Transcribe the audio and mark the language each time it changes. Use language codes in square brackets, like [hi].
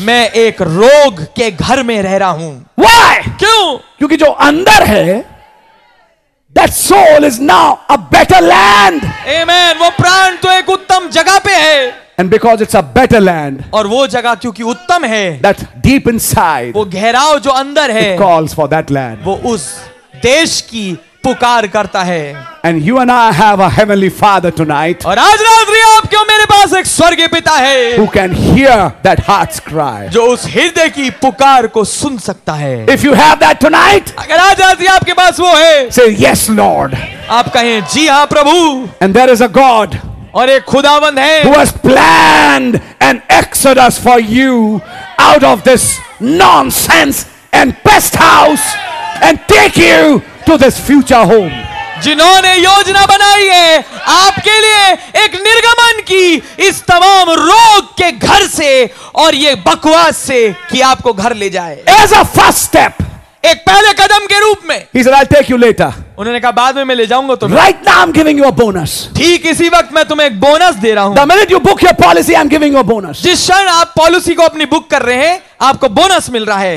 [hi] मैं एक रोग के घर में रह रहा हूं. [en] Why? [hi] क्यों? क्योंकि जो अंदर है [en] That soul is now a better land. Amen. [hi] वो प्राण तो एक उत्तम जगह पे है. [en] And because it's a better land, [hi] और वो जगह क्योंकि उत्तम है. [en] That deep inside, [hi] वो गहराव जो अंदर है. [en] It calls for that land. [hi] वो उस देश की पुकार करता है. [en] And you and I have a heavenly Father tonight. [hi] और आज रात्रि आप क्यों मेरे पास एक स्वर्गीय पिता है. [en] Who can hear that heart's cry? [hi] जो उस हृदय की पुकार को सुन सकता है. [en] If you have that tonight, [hi] अगर आज रात्रि आपके पास वो है. [en] Say yes, Lord. [hi] आप कहें जी हाँ प्रभु. [en] And there is a God. [hi] और एक खुदावंद है. [en] Who has planned an exodus for you out of this nonsense and pest house and take you to this future home. [hi] जिन्होंने योजना बनाई है आपके लिए एक निर्गमन की इस तमाम रोग के घर से और ये बकवास से कि आपको घर ले जाए. [en] As a first step, [hi] एक पहले कदम के रूप में. [en] He said, I'll take you later. [hi] उन्होंने कहा बाद में मैं ले जाऊंगा तुम्हें. [en] Right now I'm giving you a bonus. [hi] ठीक इसी वक्त मैं तुम्हें एक बोनस दे रहा हूं. [en] The minute you book your policy, I'm giving you a bonus. [hi] जिस क्षण आप पॉलिसी को अपनी बुक कर रहे हैं आपको बोनस मिल रहा है.